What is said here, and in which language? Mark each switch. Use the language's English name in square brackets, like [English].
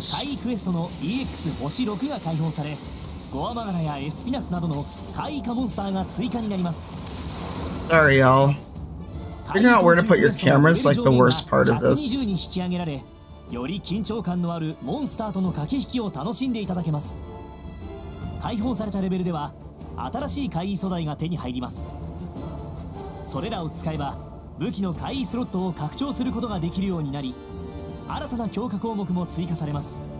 [Japanese] サイクエストの EX 星6が解放され、ゴアマガラやエスピナスなどの怪異化モンスターが追加になります。 [English] Sorry, y'all. Figuring out where to put your camera is like the worst part of this. [Japanese] に引き上げられ、より緊張感のあるモンスターとの駆け引きを楽しんでいただけます。解放されたレベルでは、新しい怪異素材が手に入ります。それらを使えば、武器の怪異スロットを拡張することができるようになり、新たな強化項目も追加されます。